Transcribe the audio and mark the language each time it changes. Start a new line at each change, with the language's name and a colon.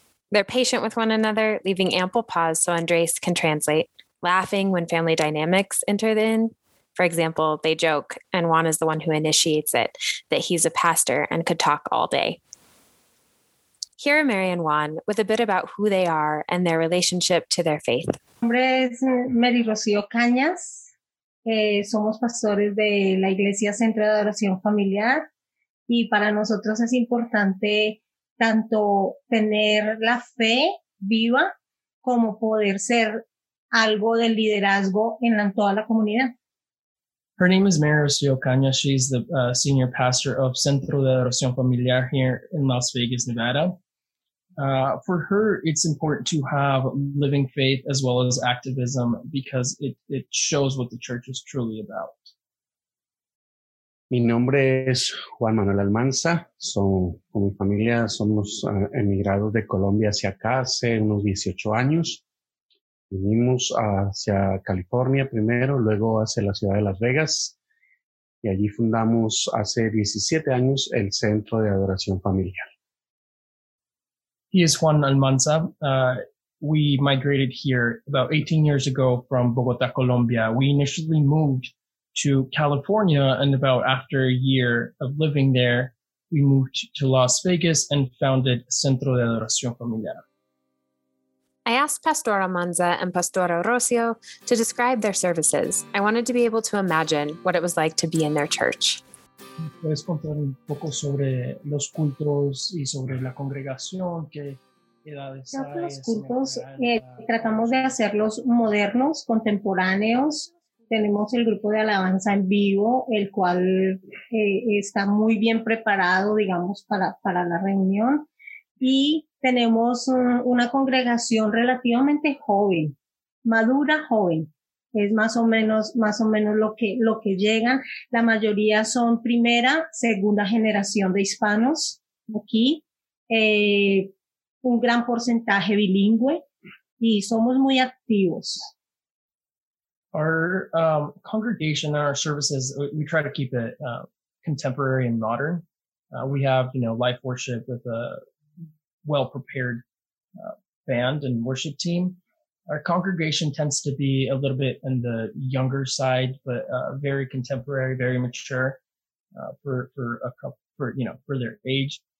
English: They're patient with one another, leaving ample pause so Andres can translate, laughing when family dynamics enter in. For example, they joke, and Juan is the one who initiates it, that he's a pastor and could talk all day. Here are Mary and Juan with a bit about who they are and their relationship to their faith. My name is Mary Rocio Cañas.
Spanish: Somos pastores de la Iglesia Centro de Adoración Familiar. Y para nosotros es importante tanto tener la fe viva como poder ser algo de liderazgo en toda la comunidad.
English: Her name is Mary Rocio Cañas. She's the senior pastor of Centro de Adoración Familiar here in Las Vegas, Nevada. For her, it's important to have living faith as well as activism because it shows what the church is truly about.
Spanish: Mi nombre es Juan Manuel Almanza. Con mi familia somos emigrados de Colombia hacia acá hace unos 18 años. Vinimos hacia California primero, luego hacia la ciudad de Las Vegas. Y allí fundamos hace 17 años el Centro de Adoración Familiar.
English: He is Juan Almanza. We migrated here about 18 years ago from Bogota, Colombia. We initially moved to California, and about after a year of living there, we moved to Las Vegas and founded Centro de Adoración Familiar. I asked Pastor Almanza and Pastor Rocio to describe their services. I wanted to be able to imagine what it was like to be in their church.
Spanish: ¿Puedes contar un poco sobre los cultos y sobre la congregación? ¿Qué edades hay? Los cultos tratamos de hacerlos modernos, contemporáneos. Tenemos el grupo de alabanza en vivo, el cual está muy bien preparado, digamos, para la reunión. Y tenemos una congregación relativamente joven, madura, joven. Es más o menos lo que llegan. La mayoría son primera, segunda generación de hispanos aquí. Un gran porcentaje bilingüe y somos muy activos.
English: Our congregation, our services, we try to keep it contemporary and modern. We have, you know, life worship with a well-prepared band and worship team. Our congregation tends to be a little bit on the younger side, but very contemporary, very mature for their age.